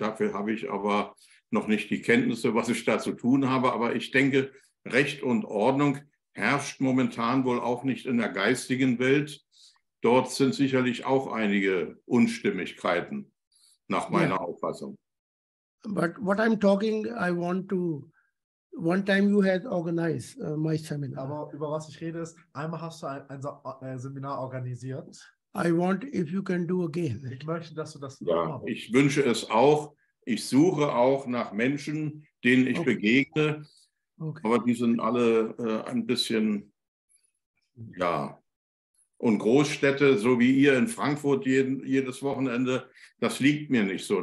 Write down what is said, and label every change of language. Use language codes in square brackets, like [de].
[de] Dafür habe ich aber noch nicht die Kenntnisse, was ich da zu tun habe. Aber ich denke, Recht und Ordnung herrscht momentan wohl auch nicht in der geistigen Welt. Dort sind sicherlich auch einige Unstimmigkeiten, nach meiner Auffassung. [en] But what I'm talking, I want to, one time you had organized my seminar. [de] Aber über was ich rede ist, einmal hast du ein Seminar organisiert. [en] I want, if you can do again. [de] Ich möchte, dass du das nochmal machst. Ich wünsche es auch. Ich suche auch nach Menschen, denen ich begegne. Okay. Aber die sind alle ein bisschen, Und Großstädte, so wie ihr in Frankfurt jedes Wochenende, das liegt mir nicht so.